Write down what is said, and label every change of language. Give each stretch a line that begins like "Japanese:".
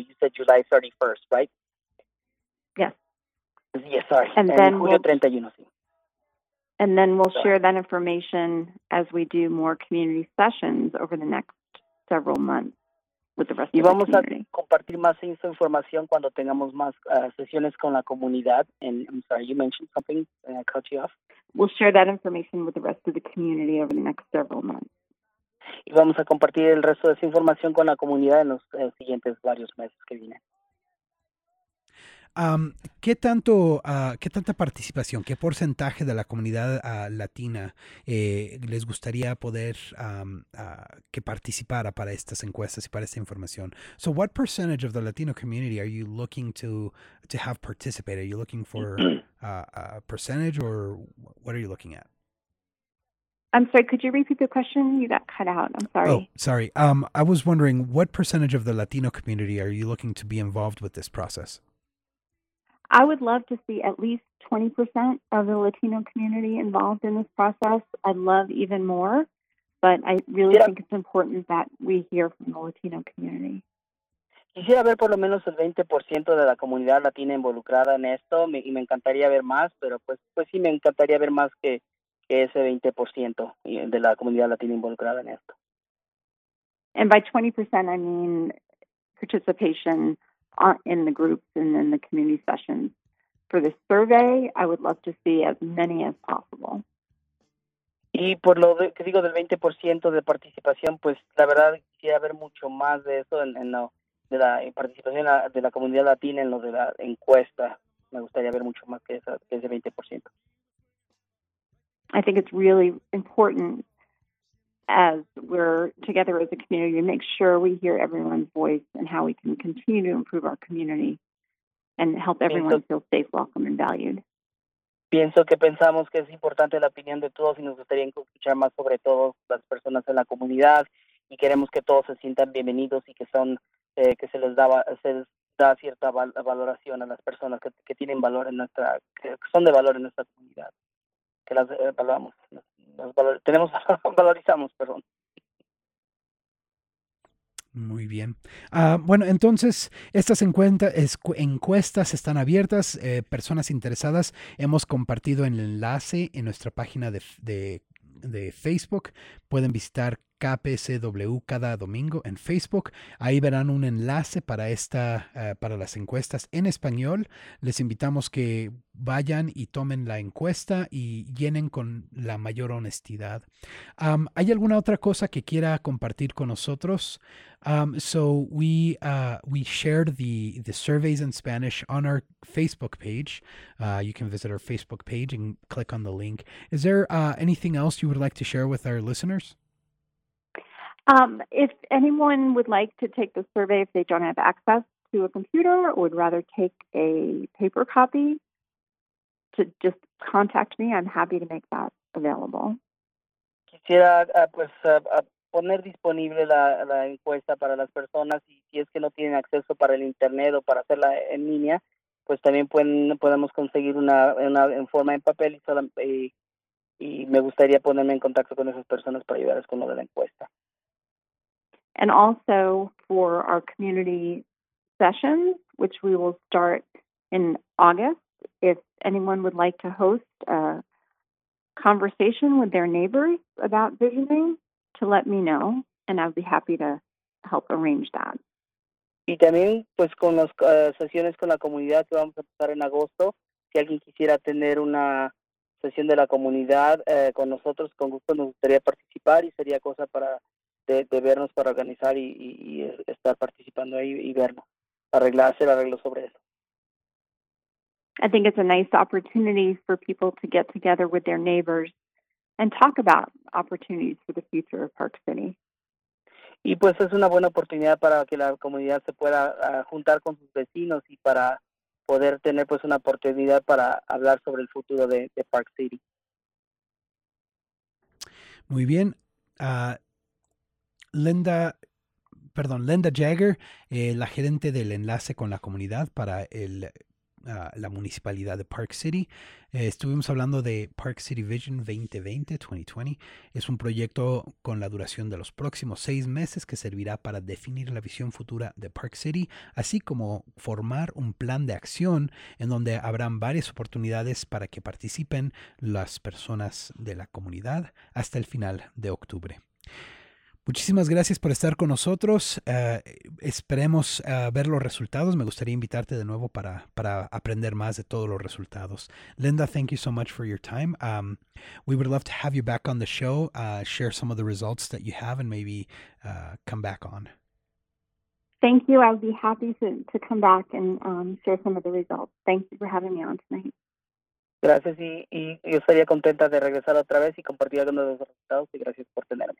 English: You said July 31st, right? Yes, sorry. And then we'll share that information as we do more community sessions over the next several months with the rest of the community.
Spanish: Y vamos a compartir más esa información cuando tengamos más sesiones con la comunidad.
English: And I'm sorry, you mentioned something, and I cut you off. We'll share that information with the rest of the community over the next several months.
Spanish: Y vamos a compartir el resto de esa información con la comunidad en los siguientes varios meses que vienen. ¿Qué tanta participación, qué porcentaje de la comunidad latina les gustaría poder que participara para estas encuestas y para esta información?
English: So what percentage of the Latino community are you looking to have participate? Are you looking for a percentage, or what are you looking at? I'm sorry, could you repeat the question? You got cut out. I'm sorry. Oh, sorry. I was wondering, what percentage of the Latino community are you looking to be involved with this process? I would love to see at least 20% of the Latino community involved in this process. I'd love even more, but I really think it's important that we hear from the Latino community.
Spanish: Quisiera ver por lo menos el 20% de la comunidad latina involucrada en esto, y me encantaría ver más, pero pues sí me encantaría ver más que ese 20% de la comunidad latina involucrada en esto.
English: And by 20%, I mean participation in the groups and in the community sessions. For the survey, I would love to see as many as possible.
Spanish: Y por lo que digo del 20% de participación, pues la verdad quisiera ver mucho más de eso en lo de la participación de la comunidad latina en lo de la encuesta. Me gustaría ver mucho más que esa, que ese 20%.
English: I think it's really important as we're together as a community to make sure we hear everyone's voice and how we can continue to improve our community and help everyone feel safe, welcome, and valued.
Spanish: Pienso que pensamos que es importante la opinión de todos y nos gustaría escuchar más sobre todo las personas en la comunidad y queremos que todos se sientan bienvenidos y que son que se les da cierta valoración a las personas que tienen valor en nuestra que son de valor en nuestra comunidad que las valoramos tenemos valorizamos perdón. Muy bien. Bueno, entonces, estas encuestas están abiertas. Personas interesadas, hemos compartido el enlace en nuestra página de Facebook. Pueden visitar KPSW cada domingo en Facebook. Ahí verán un enlace para para las encuestas en español. Les invitamos que vayan y tomen la encuesta y llenen con la mayor honestidad. ¿Hay alguna otra cosa que quiera compartir con nosotros?
English: So we shared the surveys in Spanish on our Facebook page. You can visit our Facebook page and click on the link. Is there anything else you would like to share with our listeners? If anyone would like to take the survey, if they don't have access to a computer or would rather take a paper copy, to just contact me. I'm happy to make that available.
Spanish: Quisiera pues poner disponible la encuesta para las personas y si es que no tienen acceso para el internet o para hacerla en línea, pues también podemos conseguir una en forma en papel y me gustaría ponerme en contacto con esas personas para ayudarles con lo de la encuesta.
English: And also for our community sessions, which we will start in August. If anyone would like to host a conversation with their neighbors about visioning, to let me know, and I'd be happy to help arrange that.
Spanish: Y también, pues, con las sesiones con la comunidad que vamos a empezar en agosto, si alguien quisiera tener una sesión de la comunidad con nosotros, con gusto nos gustaría participar y sería cosa para de vernos para organizar y estar participando ahí y vernos, hacer arreglos sobre eso.
English: I think it's a nice opportunity for people to get together with their neighbors and talk about opportunities for the future of Park City.
Spanish: Y pues es una buena oportunidad para que la comunidad se pueda juntar con sus vecinos y para poder tener pues una oportunidad para hablar sobre el futuro de Park City. Muy bien. Linda Jagger, la gerente del enlace con la comunidad para la municipalidad de Park City. Estuvimos hablando de Park City Vision 2020. Es un proyecto con la duración de los próximos 6 meses que servirá para definir la visión futura de Park City, así como formar un plan de acción en donde habrán varias oportunidades para que participen las personas de la comunidad hasta el final de octubre. Muchísimas gracias por estar con nosotros. Esperemos ver los resultados. Me gustaría invitarte de nuevo para aprender más de todos los resultados.
English: Linda, thank you so much for your time. We would love to have you back on the show, share some of the results that you have, and maybe come back on. Thank you. I'll be happy to come back and share some of the results. Thank you for having me on tonight.
Spanish: Gracias y yo estaría contenta de regresar otra vez y compartir algunos de los resultados y gracias por tenerme.